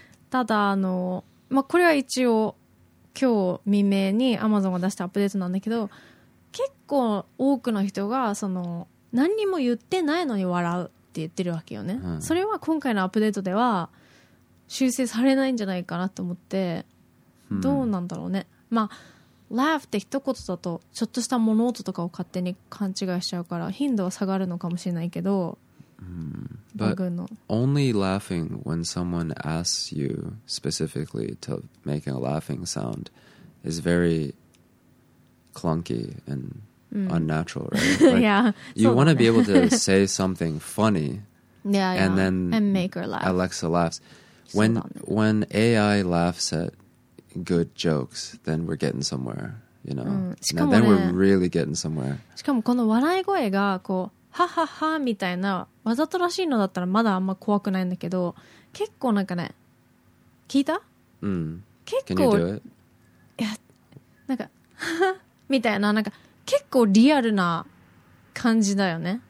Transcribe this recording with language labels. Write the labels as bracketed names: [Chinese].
[Japanese] ただまあ、これは一応今日未明にアマゾンが出したアップデートなんだけど、結構多くの人がその何にも言ってないのに笑うって言ってるわけよね、うん、それは今回のアップデートでは修正されないんじゃないかなと思って、どうなんだろうね、うん、まあラフって一言だとちょっとした物音とかを勝手に勘違いしちゃうから頻度は下がるのかもしれないけど、バグの [English] only laughing when someone asks you specifically to make a laughing sound is very clunky and unnatural、 [Japanese] うん、 [English] right? Like, yeah, you want to be able to say something funny yeah, and yeah. then and make her laugh. Alexa laughs when AI laughs atGood jokes, then we're getting somewhere, you know.、 [Japanese] うん、しかもね、 [English] Now, then we're really getting somewhere. [Japanese] しかもこの笑い声がこうハハハみたいなわざとらしいのだったらまだあんま怖くないんだけど、結構なんかね、聞いた？うん。結構。 [English] Can you do it? [Japanese] いや、なんかみたいななんか結構リアルな感じだよね。